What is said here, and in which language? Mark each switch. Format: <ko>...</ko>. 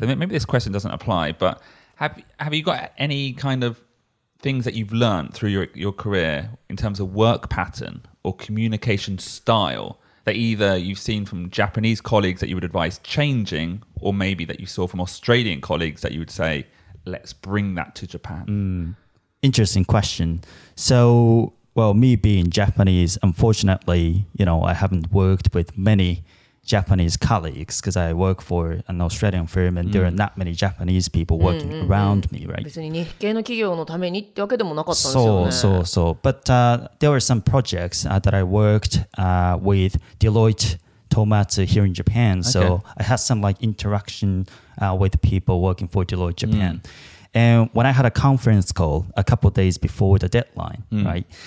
<en>So maybe this question doesn't apply, but have you got any kind of things that you've learned through your career in terms of work pattern or communication style that either you've seen from Japanese colleagues that you would advise changing, or maybe that you saw from Australian colleagues that you would say, let's bring that to Japan? Mm. Interesting question. So, well, me being Japanese, unfortunately, you know, I haven't worked with many Japanese colleagues because I work for an Australian firm and there are not many Japanese people working around me, right?</en> <ja>別に日系の企業のためにってわけでもなかったんですよね。そうそうそう。</ja> <en>But there were some projects that I worked with Deloitte Tohmatsu here in Japan. So I had some like interaction with people working for Deloitte Japan. And when I had a conference call a couple of days before the deadline, right?</en>